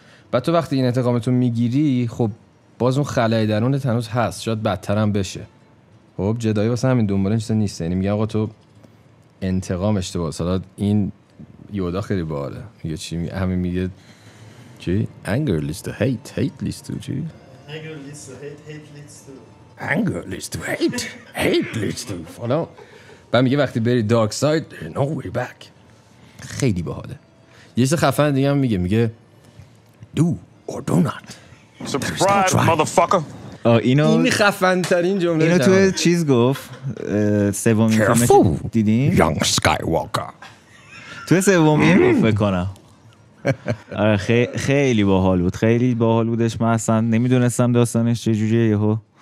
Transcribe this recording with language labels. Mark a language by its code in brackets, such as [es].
[fa] بعد تو وقتی این انتقامتو میگیری، خب باز اون خلای درونت هنوز هست، شاید بدتر هم بشه. خب جدایی واسه همین دنبال این چیزا نیسته، یعنی میگه آقا تو انتقام اشتباه. حالا این یودا خیلی باحاله، میگه چی؟ همین میگه چی؟ [en] anger leads to hate, hate leads to [fa] چی؟ [en] anger leads to hate, hate leads to anger leads to hate, hate leads to [fa] بعد میگه وقتی بری [en] dark side, no way back. [fa] خیلی باحاله. یه چیز خفن دیگه هم میگه، میگه [en] do or do not. Subscribe, motherfucker. [fa] اینو این خفن ترین جمله اینو تو چیز گفت سومین فیلمش دیدین یانگ اسکای واکر تو سومین فکر کنم خیلی باحال بود خیلی باحال بودش من اصلا نمیدونستم داستانش چه جوریه یهو